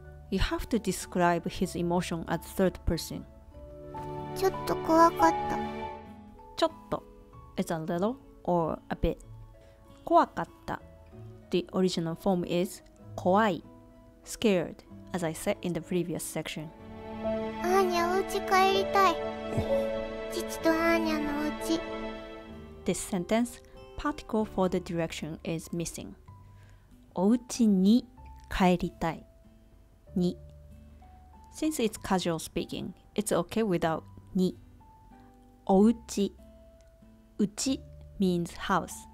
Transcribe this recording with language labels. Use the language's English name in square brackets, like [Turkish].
[English] You have to describe his emotion as third person. [Japanese] ちょっと怖かった。 [English] ちょっと is a little or a bit. [Japanese] 怖かった。 [English] The original form is [Japanese] 怖い。 [English] Scared, as I said in the previous section. [Japanese] アーニャ、お家帰りたい。父とアーニャのお家。 [English] This sentence, particle for the direction is missing. [Japanese] お家に帰りたい。に [English] Since it's casual speaking, it's okay without [Japanese] に。おうち。 [English] うち means house.